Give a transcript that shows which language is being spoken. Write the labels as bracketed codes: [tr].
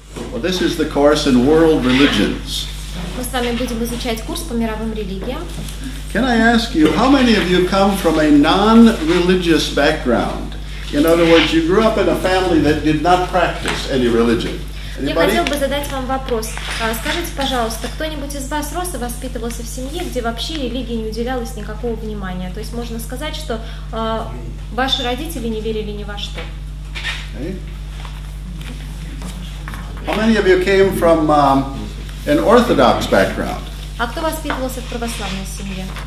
[en] Well, this is the course in world religions. [ru] Мы с вами будем изучать курс по мировым религиям. [en] Can I ask you, how many of you come from a non-religious background? In other words, you grew up in a family that did not practice any religion. [ru] Я хотел бы задать вам вопрос. Скажите, пожалуйста, кто-нибудь из вас рос и воспитывался в семье, где вообще религии не уделялось никакого внимания? То есть можно сказать, что ваши родители не верили ни во что. [en] How many of you came from an orthodox background? [ru] А кто воспитывался в православной семье?